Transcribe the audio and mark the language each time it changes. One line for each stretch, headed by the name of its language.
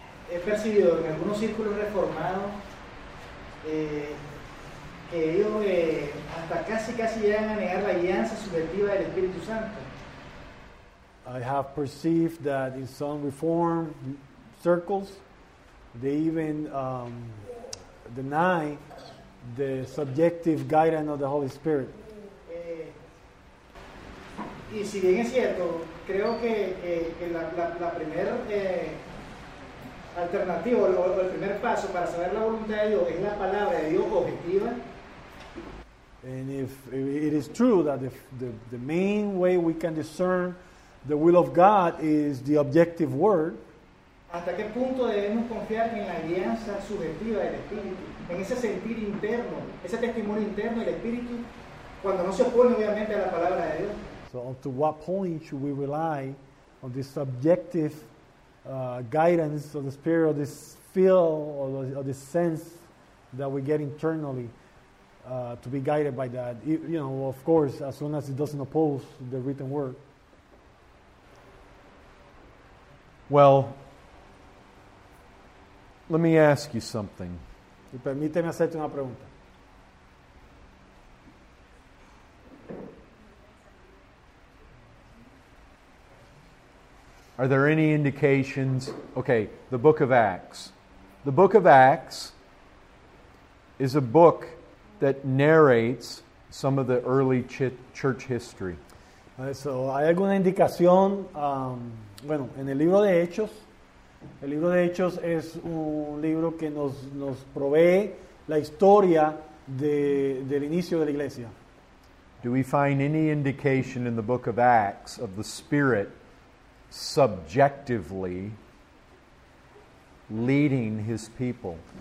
Spanish: he percibido en algunos círculos reformados que ellos hasta casi llegan a negar la guianza subjetiva del Espíritu Santo.
English: I have perceived that in some reform circles, they even deny the subjective guidance of the Holy Spirit.
Spanish: Y si bien es cierto, creo que la primera alternativa o el primer paso para saber la voluntad de Dios es la palabra de Dios objetiva.
English: And if it is true that the main way we can discern the will of God is the objective word.
Spanish: ¿Hasta qué punto debemos confiar en la guianza subjetiva del Espíritu? En ese sentir interno, ese testimonio interno del Espíritu, cuando no se opone obviamente a la palabra de Dios.
English: So up to what point should we rely on this subjective guidance of the Spirit, or this feel, or this sense that we get internally to be guided by that? You know, of course, as soon as it doesn't oppose the written word. Well, let me ask you something.
Spanish: Permíteme hacerte una pregunta.
English: Are there any indications? Okay, the book of Acts. The book of Acts is a book that narrates some of the early church history.
Spanish: So, ¿hay alguna indicación? Bueno, en el libro de Hechos es un libro que nos provee la historia del inicio de la iglesia.
English: Do we find any indication in the book of Acts of the Spirit subjectively leading his people?